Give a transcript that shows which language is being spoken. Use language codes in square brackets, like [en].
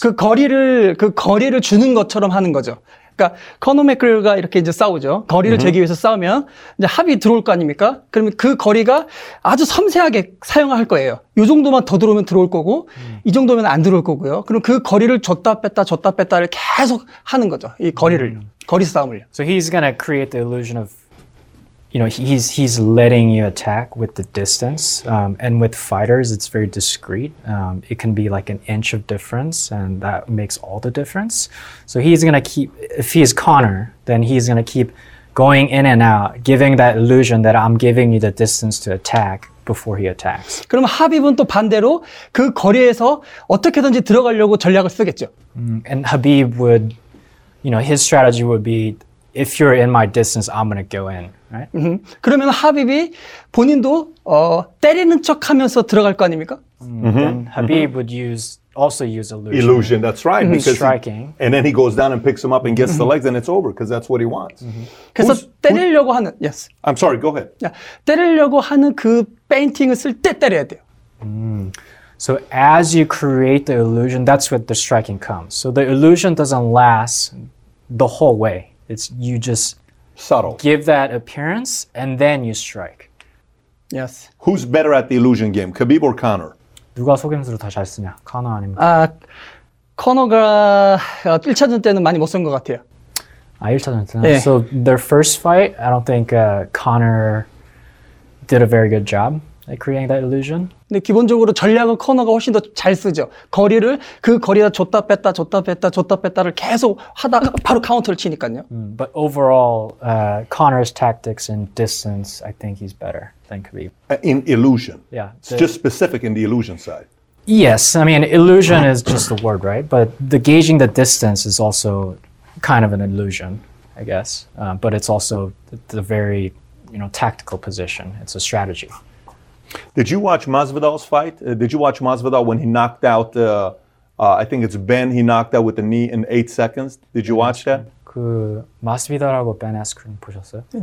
[ko] 그 거리를 주는 것처럼 하는 거죠. 그러니까 코너 맥그레거가 이렇게 이제 싸우죠. 거리를 재기 위해서 싸우면 이제 합이 들어올 거 아닙니까? 그러면 그 거리가 아주 섬세하게 사용할 거예요. 이 정도만 더 들어오면 들어올 거고 이 정도면 안 들어올 거고요. 그럼 그 거리를 줬다 뺐다를 계속 하는 거죠. 이 거리를 거리 싸움을요. [en] So he's gonna create the illusion of, you know, he's letting you attack with the distance. And with fighters, it's very discreet. It can be like an inch of difference, and that makes all the difference. So he's gonna keep, if he's Connor, then he's gonna keep going in and out, giving that illusion that I'm giving you the distance to attack before he attacks. [ko] 그럼 Habib은 또 반대로 그 거리에서 어떻게든지 들어가려고 전략을 쓰겠죠. [en] And Habib would, you know, his strategy would be, if you're in my distance, I'm gonna go in. Right? [ko] 그러면 하비비 본인도 때리는 척하면서 들어갈 거 아닙니까? [en] Habib would also use illusion. Illusion, that's right. Because striking. And then he goes down and picks him up and gets the legs, and it's over because that's what he wants. [ko] 그래서 때리려고 하는 [en] yes. I'm sorry. Go ahead. [ko] 때리려고 하는 그 페인팅을 쓸 때 때려야 돼요. [en] So as you create the illusion, that's where the striking comes. So the illusion doesn't last the whole way. Subtle. Give that appearance, and then you strike. Yes. Who's better at the illusion game, Khabib or Conor? [ko] 누가 속임수를 더 잘 쓰냐, 코너 아닙니까? 코너가 1차전 때는 많이 못 쓴 것 같아요. 1차전 때는? 네. [en] So their first fight, I don't think Conor did a very good job at creating that illusion. [ko] 근데 기본적으로 전략은 코너가 훨씬 더 잘 쓰죠. 거리를 그 거리에다 줬다 뺐다를 계속 하다가 바로 카운터를 치니까요. [en] But overall, Conor's tactics in distance, I think he's better than Khabib. In illusion. Yeah. It's just specific in the illusion side. Yes, I mean illusion is just the word, right? But the gauging the distance is also kind of an illusion, I guess. But it's also the very, you know, tactical position. It's a strategy. Did you watch Masvidal's fight? Did you watch Masvidal when he knocked out, I think it's Ben, he knocked out with the knee in 8 seconds? Did you watch that? [ko] 그 마스비달하고 벤 아스크림 보셨어요?